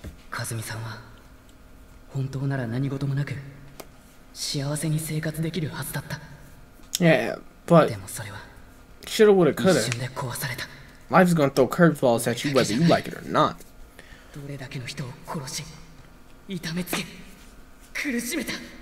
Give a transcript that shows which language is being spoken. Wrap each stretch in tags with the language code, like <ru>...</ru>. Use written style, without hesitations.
<ja>和美さんは本当なら何事もなく幸せに生活できるはずだった。でもそれは一瞬で壊された。</ja> <en>Life's gonna throw curveballs at you whether you like it or not.</en> <ja>どれだけの人を殺し、痛めつけ、苦しめた。</ja>